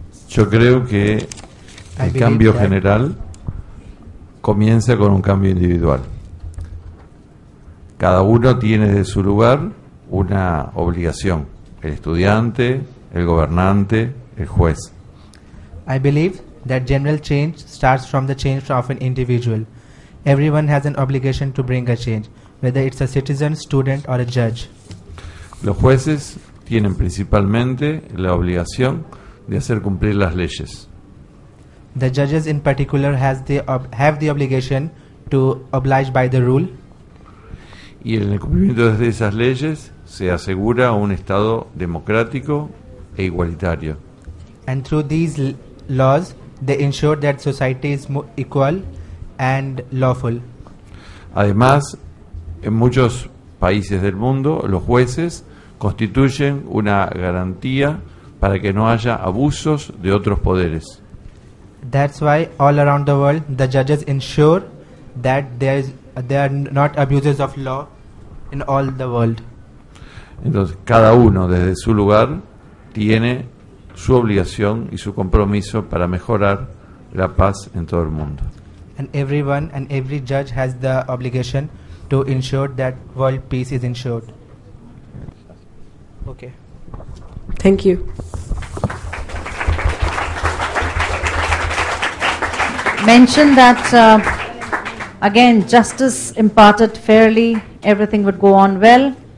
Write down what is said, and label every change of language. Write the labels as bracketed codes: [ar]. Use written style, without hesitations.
[es] Yo creo que el cambio general comienza con un cambio individual. Cada uno tiene de su lugar una obligación. El estudiante, el gobernante, el juez. [en] I believe that general change starts from the change of an individual. Everyone has an obligation to bring a change, whether it's a citizen, student or a judge. [es] Los jueces tienen principalmente la obligación de hacer cumplir las leyes. [en] The judges in particular have the obligation to oblige by the rule. [es] Y en el cumplimiento de esas leyes se asegura un estado democrático e igualitario. [en] And through these laws, they ensure that society is equal and lawful. [es] Además, en muchos países del mundo, los jueces constituyen una garantía para que no haya abusos de otros poderes. [en] That's why all around the world, the judges ensure that there are not abuses of law in all the world. [es] Entonces, cada uno desde su lugar tiene su obligación y su compromiso para mejorar la paz en todo el mundo. [en] And everyone and every judge has the obligation to ensure that world peace is ensured. Okay. Thank you. Mention that again, justice imparted fairly, everything would go on well.